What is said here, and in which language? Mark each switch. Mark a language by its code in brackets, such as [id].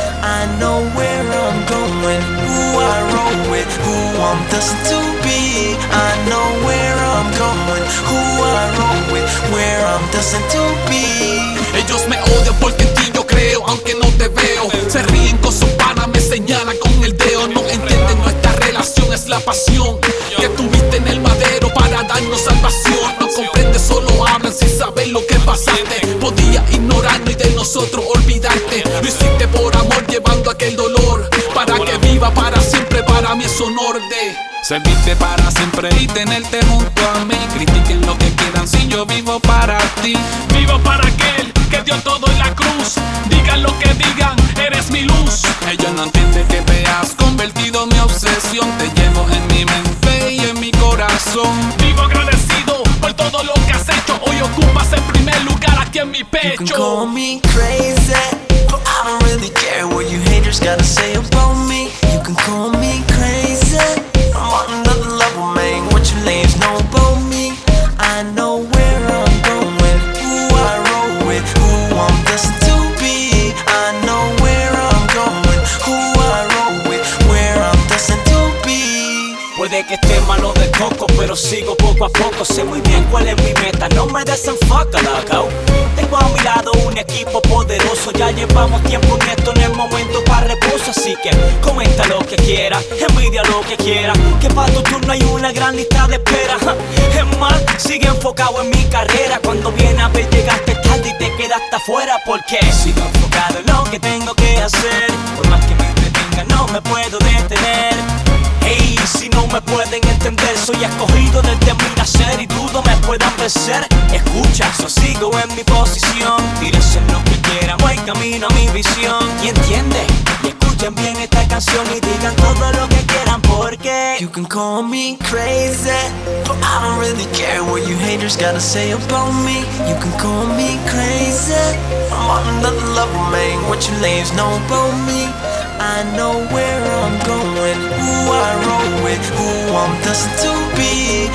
[en] I know where I'm going, who I roll with, who I'm destined to be. I know where I'm going, who I roll with, where I'm destined to be. [es] Ellos me odian porque en ti yo creo, aunque no te veo. Se ríen con su pana, me señalan con el dedo. No entienden nuestra relación, es la pasión que tuviste en el madero para darnos salvación. No comprende, solo hablan sin saber lo que pasaste. Podía ignorarnos y de nosotros olvidarte. Lo hiciste por amor, llevando aquel dolor. Para que viva para siempre, para mí es honor de servirte para siempre y tenerte junto a mí. Critiquen lo que quieran, si yo vivo para ti. Vivo para aquel que dio todo en la cruz. Digan lo que digan, eres mi luz. Ella no entiende que te has convertido en mi obsesión. Te llevo en mi mente y en mi corazón. Vivo agradecido por todo lo que has hecho. Hoy ocupas el primer lugar aquí en mi pecho. [en] You can call me crazy, but I don't really care what you haters gotta say about me. You can call me crazy. I'm on another level, man. What you lames know about me? I know where I'm going, who I roll with, who I'm destined to be. I know where I'm going, who I roll with, where I'm destined to be. [es] Puede que esté malo de coco, pero sigo poco a poco. Sé muy bien cuál es mi meta, no me desenfoca la cao. Tengo a mi lado un equipo poderoso. Ya llevamos tiempo en esto, no es momento para reposo. Así que comenta lo que quieras, envidia lo que quieras. Que para tu turno hay una gran lista de espera. Es más, sigue enfocado en mi carrera. Cuando viene a ver llegaste tarde y te quedaste afuera. Porque sigo enfocado en lo que tengo que hacer. Por más que me entretenga no me puedo detener. Hey, si no me pueden entender, soy escogido desde mi nacer y dudo me puedan vencer. Escucha, yo sigo en mi posición. Tírense lo que quieran, voy camino a mi visión. ¿Y entiende? Y escuchen bien esta canción y digan todo lo que quieran porque [en] you can call me crazy, but I don't really care what you haters gotta say about me. You can call me crazy. I'm on another level, man. What you lames know about me? I know where I'm going, who I roll with, who I'm destined to be.